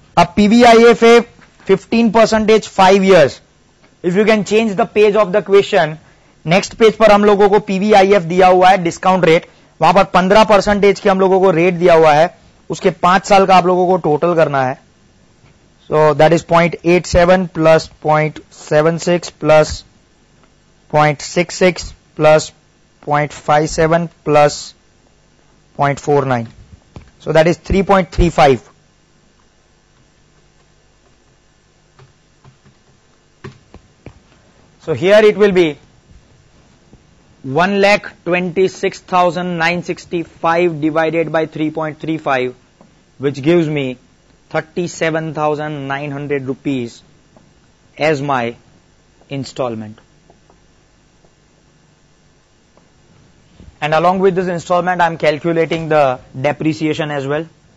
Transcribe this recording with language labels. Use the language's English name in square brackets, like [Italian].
[English] A PVIFA 15% 5 years. If you can change the page of the question, [Hindi] next page पर हम लोगों को PVIF दिया हुआ है, डिस्काउंट रेट वहां पर 15% की हम लोगों को रेट दिया हुआ है, उसके 5 साल का आप लोगों को टोटल करना है। [English] So that is 0.87 plus 0.76 plus 0.66 plus 0.57 plus 0.49, so that is 3.35। So here it will be 1,26,965 divided by 3.35 which gives me 37,900 rupees as my installment. And along with this installment, I'm calculating the depreciation as well.